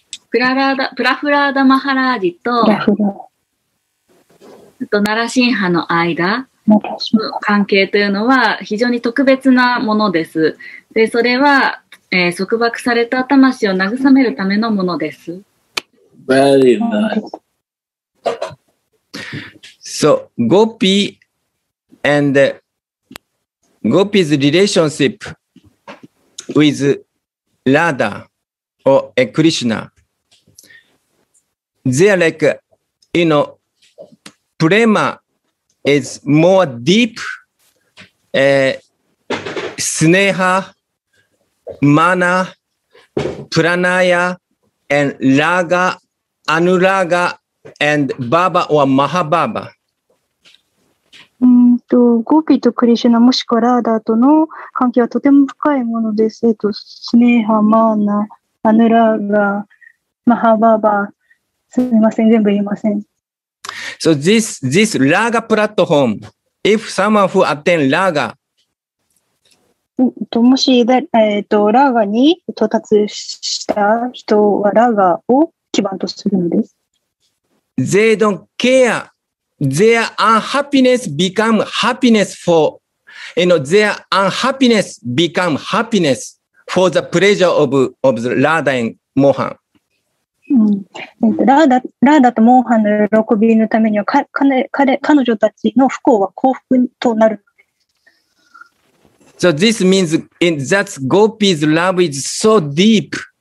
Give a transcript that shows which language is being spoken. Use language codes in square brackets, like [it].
[ja] プラフラダ・マハラージとナラシンハの間の関係というのは非常に特別なものです。で、それは、束縛された魂を慰めるためのものです。 [en] Very nice. So, Gopi andGopi's relationship with Radha or a Krishna, they are like, you know, prema is more deep, sneha, mana, pranaya, and raga, anuraga, and baba or mahababa. [ja] ゴピとクリシュナもしくはラーダーとの関係はとても深いものです。スネーハ、マーナ、アヌラーガ、マハバーバー、すみません、全部言いません。 [en] So this Raga platform, if someone who attend Raga, [ja] もし、Raga に到達した人は Raga を基盤とするのです。 [en] They don't care. Their unhappiness become happiness for, you know, their unhappiness become happiness for the pleasure of the Radha and Mohan. [ja] ラーダとモーハンの喜びのためには彼女たちの不幸は幸福となる。 [en] So this means that Gopi's love is so deep.